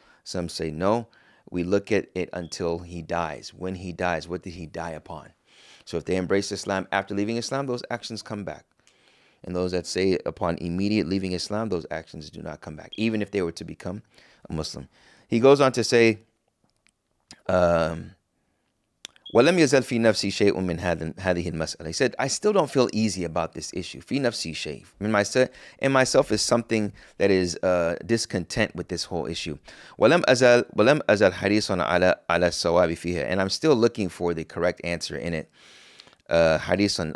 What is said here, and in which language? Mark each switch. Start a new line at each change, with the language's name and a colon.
English: Some say, no, we look at it until he dies. When he dies, what did he die upon? So if they embrace Islam after leaving Islam, those actions come back. And those that say upon immediate leaving Islam, those actions do not come back, even if they were to become a Muslim. He goes on to say,
Arabic: وَلَمْ يَزَلْ فِي نَفْسِي شَيْءٌ مِّنْ هَذِهِ الْمَسْأَلَةِ.
English: He said, I still don't feel easy about this issue.
Arabic: فِي نَفْسِي شَيْءٌ.
English: In myself is something that is discontent with this whole issue.
Arabic: وَلَمْ أَزَلْ حَرِيصٌ عَلَى السَّوَابِ فِيهَا.
English: And I'm still looking for the correct answer in it.
Arabic: حَرِيصٌ.